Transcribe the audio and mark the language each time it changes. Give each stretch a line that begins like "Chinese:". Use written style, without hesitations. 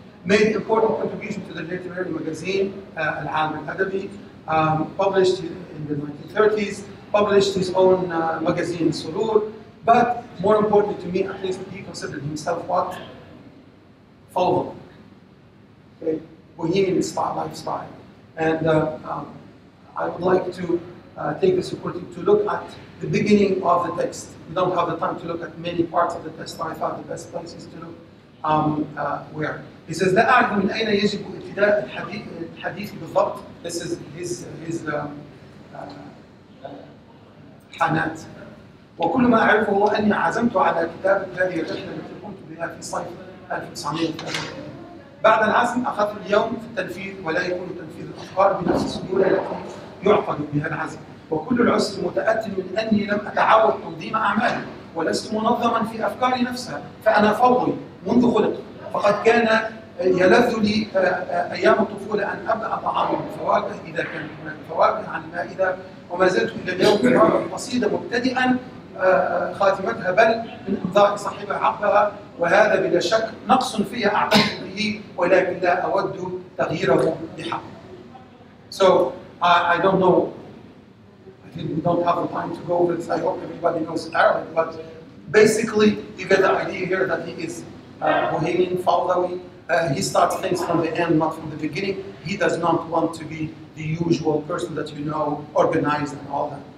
English: Made important contribution to the literary magazine, Al-Alam Al-Adabi, published in the 1930s, published his own magazine, Surur, but more importantly to me, at least, he considered himself what? Fawda. Okay? Bohemian style, lifestyle. And I would like to take this opportunity to look at the beginning of the text. We don't have the time to look at many parts of the text, but I thought the best places to look where. He says,
Arabic: لا أعرف من أين يجب ابتداء الحديث بالضبط.
English: This is his
Arabic: حانات. وكل ما أعرفه أني عزمت على كتابة هذه الرحلة التي قمت بها لله في صيف 1900. بعد العزم أخذت اليوم في التنفيذ ولا يكون تنفيذ الأفكار بنفس السهولة التي يعقد بها العزم. وكل العسر متأتل من أني لم أتعود تنظيم أعمالي ولست منظما في أفكاري نفسها، فأنا فوضي منذ خلقي. فقد كان يلذ لي أيام الطفولة أن أبدأ طعام الفواكه إذا كان هناك فواكه عن المائدة، وما زلت إلى اليوم أعمل قصيدة مبتدئا خاتمتها بل من إمضاء صاحبها عقبها، وهذا بلا شك نقص في أعتقد به ولكن لا أود تغييره بحق.
English: So I don't know. I think we don't have the time to go over this. I hope everybody knows Arabic, but basically you get the idea here that he is Bohemian, Faldawi. He starts things from the end, not from the beginning. He does not want to be the usual person that you know, organized and all that.